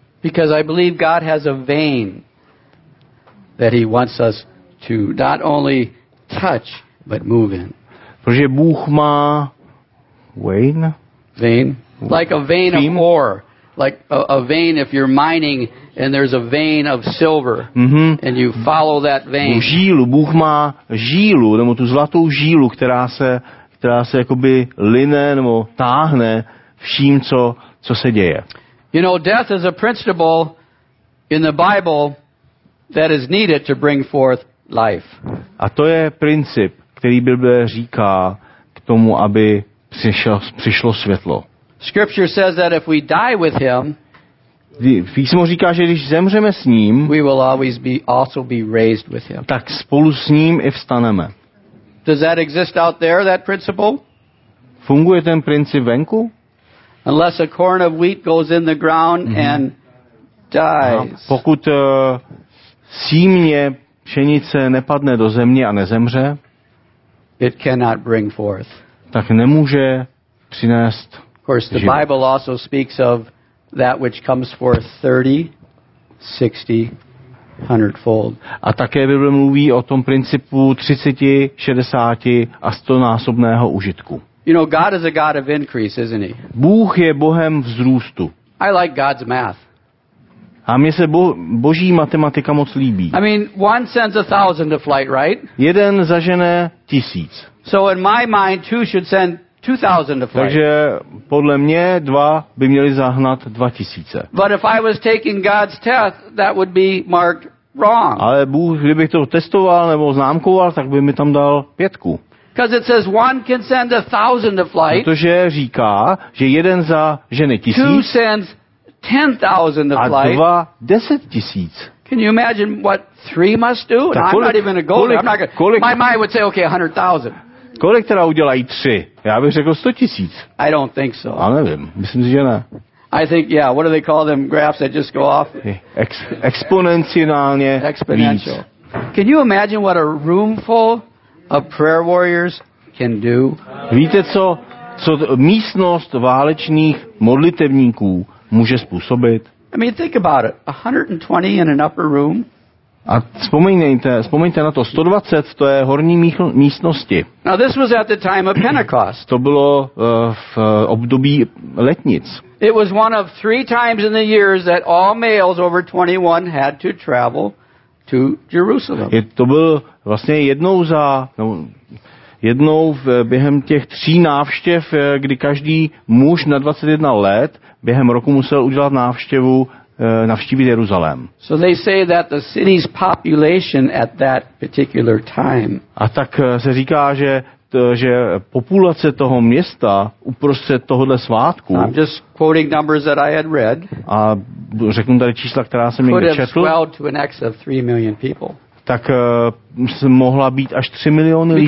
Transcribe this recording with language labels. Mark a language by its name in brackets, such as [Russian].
[English] Because I believe God has a vein that he wants us to not only touch but move in. [Czech] Protože Bůh má [English] vein like a vein of ore, like a vein if you're mining and there's a vein of silver and you follow that vein. [Czech] Bůh má žílu, nebo tu zlatou žílu, která se jakoby line nebo táhne vším, co se děje. [English] You know, death is a principle in the Bible that is needed to bring forth life. [Czech] A to je princip, který Bible říká k tomu, aby přišlo světlo. [English] Scripture says that if we die with him, [Czech] Písmo říká, že když zemřeme s ním, [English] we will always be also be raised with him. [Czech] Tak spolu s ním i vstaneme. [English] Does that exist out there, that principle? [Czech] Funguje ten princip venku? [English] Unless a corn of wheat goes in the ground and dies. [Czech] A pokud símě pšenice nepadne do země a nezemře, [English] it cannot bring forth. [Czech] Tak nemůže přinést. [English] Of course, the Bible also speaks of that which comes forth 30, 60, 100-fold. [Czech] A také Bible mluví o tom principu 30, 60 a 100-násobného užitku. [English] You know, God is a God of increase, isn't he? [Czech] Bůh je Bohem vzrůstu. [English] I like God's math. [Czech] A mně se boží matematika moc líbí. [English] I mean, one sends 1,000 to flight, right? [Czech] Jeden zažene 1,000. [English] So in my mind, two should send 2,000 to flight. [Czech] Takže podle mě dva by měli zahnat 2,000. [English] But if I was taking God's test, that would be marked wrong. [Czech] Ale Bůh, kdybych to testoval nebo známkoval, tak by mi tam dal 5. [English] Because it says one can send 1,000 to flight. [Czech] Protože říká, že jeden za ženy 1,000. [English] Two sends 10,000 to flight. [Czech] A dva 10,000. [English] Can you imagine what three must do? [Czech] Tak [English] I'm not even a goal. My mind would say, okay, 100,000. [Czech] Kolik teda udělají tři? Já bych řekl 100,000. [English] I don't think so. [Czech] Já nevím. Myslím si, že ne. [English] I think, yeah, what do they call them graphs that just go off? [Czech] Exponenciálně. [English] Exponential. Can you imagine what a room full of prayer warriors can do? [Czech] Víte, co místnost válečných modlitevníků může způsobit? [English] I mean, think about it. 120 in an upper room. [Czech] A vzpomeňte na to. 120, to je horní místnosti. [English] Now, this was at the time of Pentecost. [Czech] To bylo v období letnic. [English] It was one of three times in the years that all males over 21 had to travel to Jerusalem. [Czech] To byl vlastně jednou za jednou během těch tří návštěv, kdy každý muž na 21 let během roku musel udělat návštěvu, navštívit Jeruzalém. [English] So they say that the city's population at that particular time. [Czech] A tak se říká, že populace toho města uprostřed tohohle svátku. [English] I'm just quoting numbers that I had read. [Czech] A řeknu tady čísla, která jsem někde četl. [English] Could have swelled to an excess of 3 million people. [Czech] Tak mohla být až 3 miliony lidí.